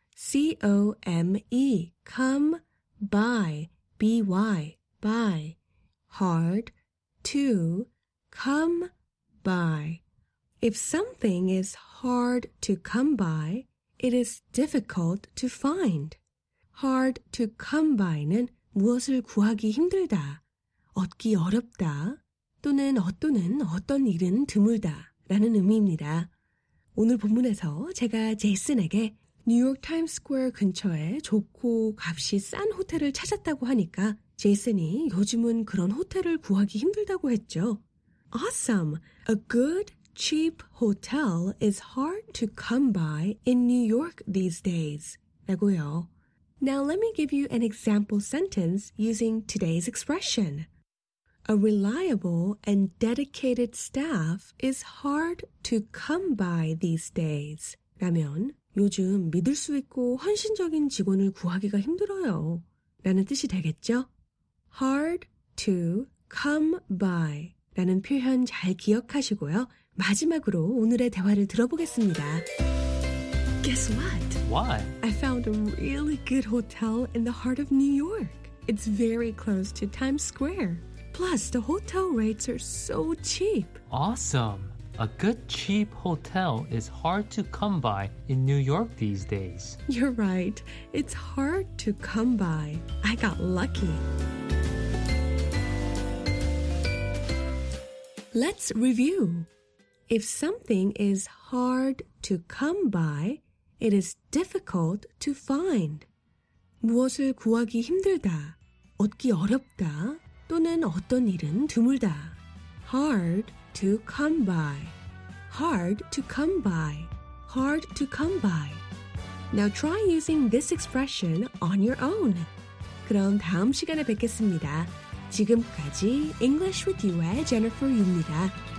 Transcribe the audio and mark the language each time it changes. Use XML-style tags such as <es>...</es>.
<en>C-O-M-E. Come by. B-Y. By. Hard. To come by. If something is hard to come by, it is difficult to find.</en> <ko>Hard to come by는 무엇을 구하기 힘들다, 얻기 어렵다, 또는 어떤은 어떤 일은 드물다 라는 의미입니다. 오늘 본문에서 제가 제이슨에게 뉴욕 타임스퀘어 근처에 좋고 값이 싼 호텔을 찾았다고 하니까 제이슨이 요즘은 그런 호텔을 구하기 힘들다고 했죠.</ko> <en>Awesome! A good, cheap hotel is hard to come by in New York these days. 라고요. Now let me give you an example sentence using today's expression. A reliable and dedicated staff is hard to come by these days.</en> <ko>라면 요즘 믿을 수 있고 헌신적인 직원을 구하기가 힘들어요. 라는 뜻이 되겠죠? Hard to come by 라는 표현 잘 기억하시고요. 마지막으로 오늘의 대화를 들어보겠습니다.</ko> <en>Guess what? What? I found a really good hotel in the heart of New York. It's very close to Times Square. Plus, the hotel rates are so cheap. Awesome. A good cheap hotel is hard to come by in New York these days. You're right. It's hard to come by. I got lucky. Let's review. If something is hard to come by, it is difficult to find.</en> <ko>무엇을 구하기 힘들다, 얻기 어렵다, 또는 어떤 일은 드물다.</ko> <en>Hard to come by. Hard to come by. Hard to come by. Now try using this expression on your own.</en> <ko>그럼 다음 시간에 뵙겠습니다. 지금까지 English with You의 Jennifer입니다.</ko>